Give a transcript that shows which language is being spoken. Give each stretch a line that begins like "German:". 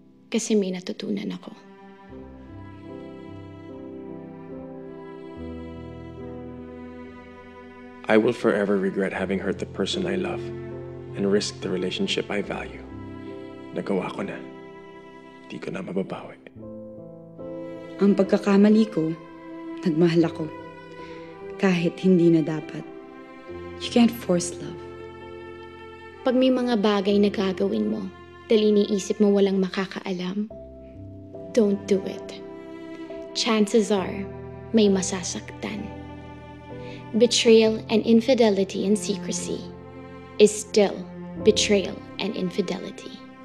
Filipino: Kasi may natutunan ako.
English: I will forever regret having hurt the person I love and risked the relationship I value.
Filipino: Nagawa ko na. Di ko na mababawi. Ang pagkakamali ko, nagmahal ako. Kahit hindi na dapat.
English: You can't force love.
Filipino: Pag may mga bagay na gagawin mo, dahil iniisip mo walang makakaalam,
English: don't do it. Chances are,
Filipino: may masasaktan.
English: Betrayal and infidelity in secrecy is still betrayal and infidelity.